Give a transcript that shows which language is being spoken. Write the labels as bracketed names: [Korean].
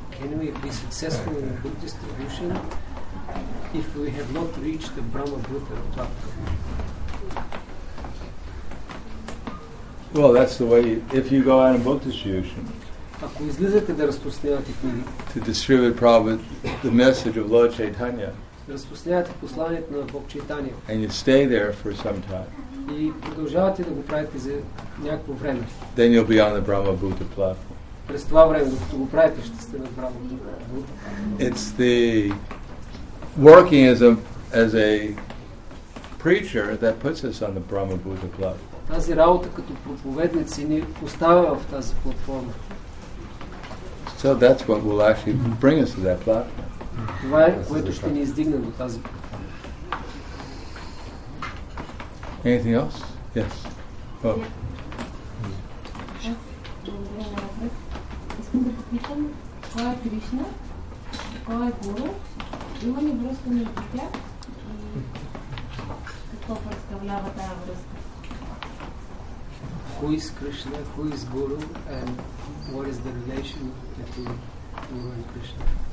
[English] Can we be successful in good distribution if we have not reached the Brahma Buddha on top? Well, that's the way, if you go out in book distribution, [Bulgarian] ако излизате да разпространявате книги, [English] to distribute Prabhupada, the message of Lord Chaitanya, [Bulgarian] разпространявате посланието на Бог Чайтанья. [English] And you stay there for some time. [Bulgarian] И продължавате да го правите за някакво време. [English] Then you'll be on the Brahma Buddha platform. [Bulgarian] През това време, докато го правите, ще сте на [English] Brahma Buddha platform. It's the working as a preacher that puts us on the Brahma Buddha platform. [Bulgarian] Тази работа като проповедници ни поставя в тази платформа. [English] So that's what will actually bring us to that platform. [Bulgarian] Това е, което ще ни издигне до тази. [English] Anything else? Yes. [Bulgarian] Искам да попитам, кой е Кришна, кой е Гуру, има ли връзка между тях и какво представлява тази връзка? [English] Who is Krishna, who is Guru and what is the relation between Guru and Krishna?